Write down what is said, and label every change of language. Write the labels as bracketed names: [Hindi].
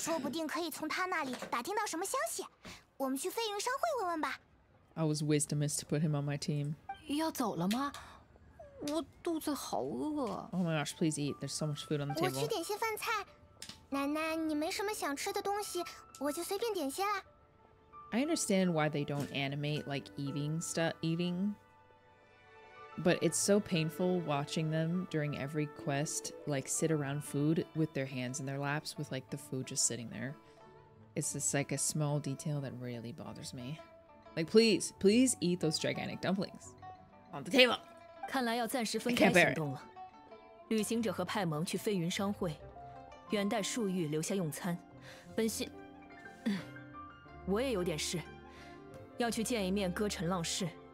[Chinese] 说不定可以从他那里打听到什么消息。我们去飞云商会问问吧。 [English] I was wisdomous to put him on my team. [Chinese] 要走了吗？我肚子好饿。 [English] Oh my gosh, please eat. There's so much food on the table. [Chinese] 我去点些饭菜。奶奶，你没什么想吃的东西，我就随便点些了。 [English] I understand why they don't animate like eating. But it's so painful watching them during every quest, like, sit around food with their hands in their laps with, like, the food just sitting there. It's just, like, a small detail that really bothers me. Like, please, please eat those gigantic dumplings. On the table! [Chinese] 看来要暂时分开行动了。旅行者和派蒙去飞云商会，远带树欲留下用餐。本心，我也有点事，要去见一面歌尘浪士。